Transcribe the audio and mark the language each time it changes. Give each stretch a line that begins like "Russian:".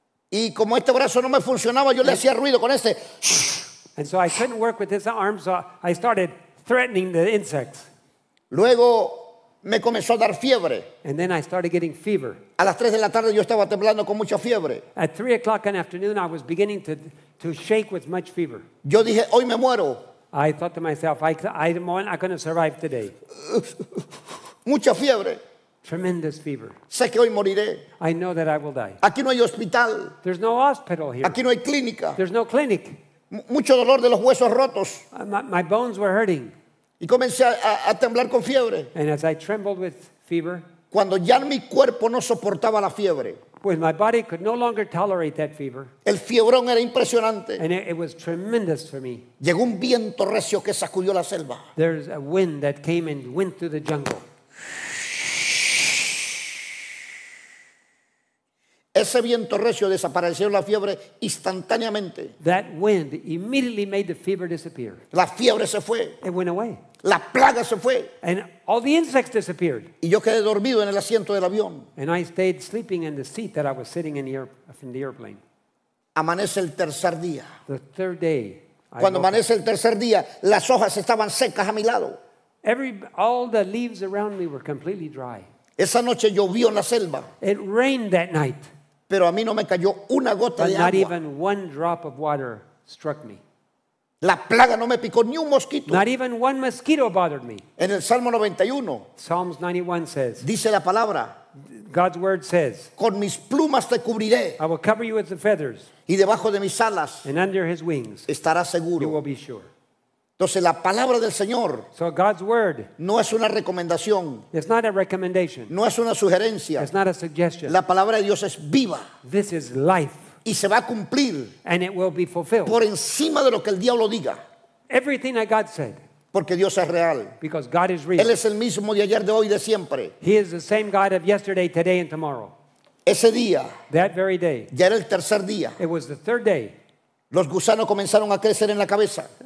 Spanish: Y como este brazo no me funcionaba, yo le hacía ruido con este.
English: And so I couldn't work with this arm, so I started threatening the insects.
Spanish: Luego me comenzó a dar fiebre.
English: And then I started getting fever.
Spanish: A las 3 de la tarde yo estaba temblando con mucha fiebre.
English: At 3 o'clock in the afternoon I was beginning to shake with much fever.
Spanish: Yo dije, hoy me muero.
English: I thought to myself, I'm not going to survive today.
Spanish: Mucha fiebre.
English: Tremendous fever.
Spanish: Sé que hoy moriré.
English: I know that I will die.
Spanish: Aquí no hay hospital.
English: There's no hospital here.
Spanish: Aquí no hay clínica.
English: There's no clinic.
Spanish: Mucho dolor de los huesos rotos.
English: My bones were hurting.
Spanish: Y comencé a temblar con fiebre.
English: And as I trembled with fever,
Spanish: cuando ya mi cuerpo no soportaba la fiebre,
English: when my body could no longer tolerate that fever,
Spanish: el fiebrón era impresionante.
English: And it was tremendous for me.
Spanish: Llegó un viento recio que sacudió la selva.
English: There's a wind that came and went through the jungle.
Spanish: Ese viento recio desapareció la fiebre instantáneamente.
English: That wind immediately made the fever disappear.
Spanish: La fiebre se fue.
English: It went away.
Spanish: La plaga se fue.
English: And all the insects disappeared.
Spanish: Y yo quedé dormido en el asiento del avión.
English: And I stayed sleeping in the seat that I was sitting in the airplane.
Spanish: Amanece el tercer día.
English: The third day.
Spanish: Cuando amanece el tercer día, las hojas estaban secas a mi lado.
English: All the leaves around me were completely dry.
Spanish: Esa noche llovió en la selva.
English: It rained that night.
Spanish: Pero a mí no me cayó una gota de agua.
English: Not even one drop of water struck me.
Spanish: La plaga no me picó ni un mosquito.
English: Not even one mosquito bothered me.
Spanish: En el Salmo 91.
English: Psalms 91 says.
Spanish: Dice la palabra.
English: God's word says.
Spanish: Con mis plumas te cubriré.
English: I will cover you with the feathers.
Spanish: Y debajo de mis alas.
English: And under his wings.
Spanish: Estarás seguro.
English: You will be sure.
Spanish: Entonces la palabra del Señor.
English: So God's word.
Spanish: No es una recomendación.
English: It's not a recommendation.
Spanish: No es una sugerencia.
English: It's not a suggestion.
Spanish: La palabra de Dios es viva.
English: This is life.
Spanish: Y se va a cumplir.
English: And it will be fulfilled.
Spanish: Por encima de lo que el diablo diga.
English: Everything that God said.
Spanish: Porque Dios es real.
English: Because God is real.
Spanish: Él es el mismo de ayer, de hoy, de siempre.
English: He is the same God of yesterday, today and tomorrow.
Spanish: Ese día.
English: That very day.
Spanish: Ya era el tercer día.
English: It was the third day.
Spanish: Los gusanos comenzaron a crecer en la cabeza.